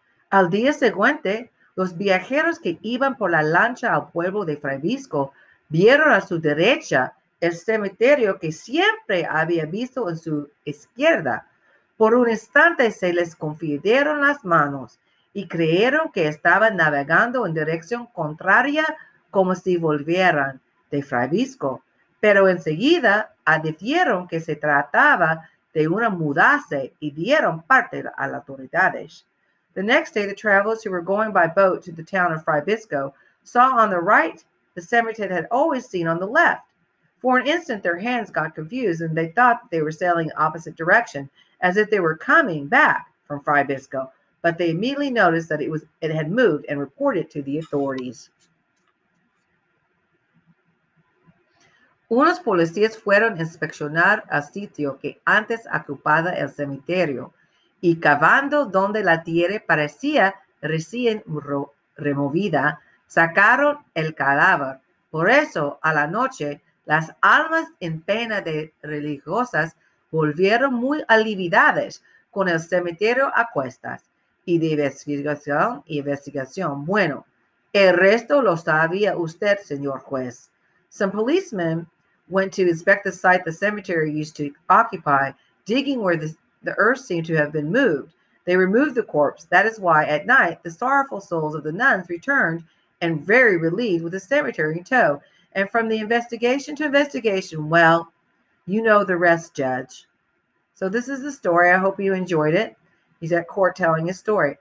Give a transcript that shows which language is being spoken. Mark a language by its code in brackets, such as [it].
[es] Al día siguiente, los viajeros que iban por la lancha al pueblo de Fray Bisco vieron a su derecha el cementerio que siempre había visto en su izquierda. Por un instante se les confundieron las manos y creyeron que estaban navegando en dirección contraria como si volvieran de Fray Bisco. Pero enseguida advirtieron que se trataba de una mudanza y dieron parte a las autoridades. [en] The next day, the travelers who were going by boat to the town of Fray Bisco saw on the right the cemetery they had always seen on the left. For an instant, their hands got confused, and they thought they were sailing opposite direction, as if they were coming back from Fray Bisco. But they immediately noticed that it had moved and reported to the authorities. [es] Unos policías fueron a inspeccionar el sitio que antes ocupaba el cementerio. Y cavando donde la tierra parecía recién removida, sacaron el cadáver. Por eso, a la noche, las almas en pena de religiosas volvieron muy aliviadas con el cementerio a cuestas. Y de investigación y investigación. Bueno, el resto lo sabía usted, señor juez. [en] Some policemen went to inspect the site the cemetery used to occupy, digging where the earth seemed to have been moved. They removed the corpse. That is why, at night, the sorrowful souls of the nuns returned and very relieved with the cemetery in tow. And from the investigation to investigation, well, you know the rest, Judge. So this is the story. I hope you enjoyed it. He's at court telling his story.